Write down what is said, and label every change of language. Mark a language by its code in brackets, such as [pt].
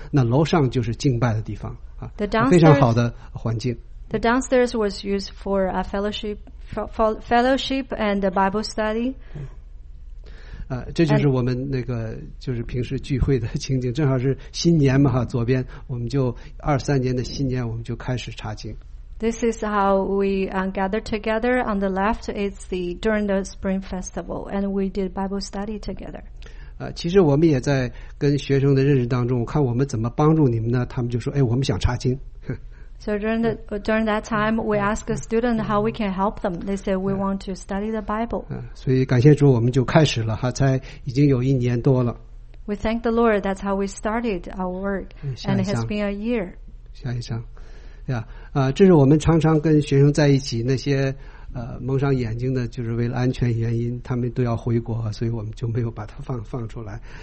[zh] 那楼上就是敬拜的地方啊，非常好的环境。 [en] The downstairs was used for a fellowship, fellowship and a Bible study. [zh] 这就是我们那个就是平时聚会的情景，正好是新年嘛哈。左边我们就23年的新年，我们就开始查经。 [en] This is how we gather together. On the left, it's the during the Spring Festival, and we did Bible study together. [zh] 其实我们也在跟学生的认识当中，看我们怎么帮助你们呢？他们就说：“哎，我们想查经。” [en] So during that time, we asked a student how we can help them. They said we want to study the Bible. [zh] 所以感谢主，我们就开始了哈，才已经有1年多了。 [en] We thank the Lord. That's how we started our work, and it has been a year. [zh] 下一章， Yeah, 这是我们常常跟学生在一起，那些蒙上眼睛的，就是为了安全原因，他们都要回国，所以我们就没有把它放出来。